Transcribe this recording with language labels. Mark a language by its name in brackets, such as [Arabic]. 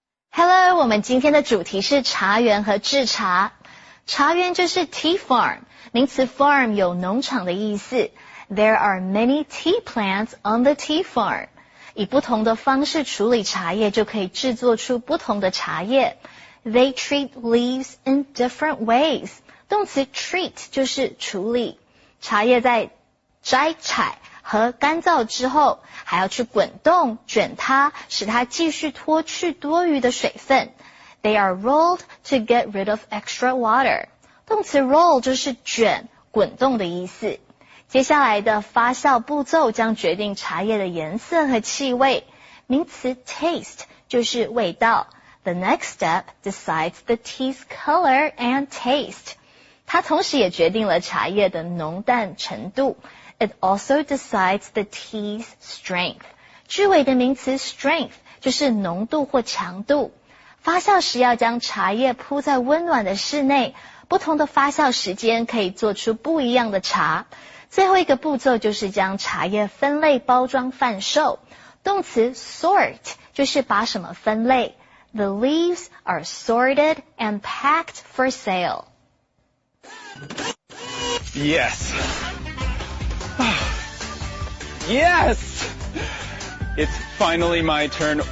[Chinese] Hello, 我们今天的主题是茶园和制茶。茶园就是 tea farm, 名词 farm 有农场的意思。 [English] There are many tea plants on the tea farm. [Chinese] 以不同的方式处理茶叶就可以制作出不同的茶叶。 [English] They treat leaves in different ways. [Chinese] 动词 treat 就是处理。茶叶在摘采和干燥之后还要去滚动卷它使它继续脱去多余的水分。 [English] They are rolled to get rid of extra water. [Chinese] 动词 roll 就是卷滚动的意思。接下来的发酵步骤将决定茶叶的颜色和气味。名词 taste 就是味道。 [English] The next step decides the tea's color and taste. [Chinese] 它同时也决定了茶叶的浓淡程度。 [English] It also decides the tea's strength. [Chinese] 句尾的名词 strength 就是浓度或强度。发酵时要将茶叶铺在温暖的室内。不同的发酵时间可以做出不一样的茶。最后一个步骤就是将茶叶分类包装贩售。动词 sort 就是把什么分类。 [English] The leaves are sorted and packed for sale. Yes! Yes! It's finally my turn.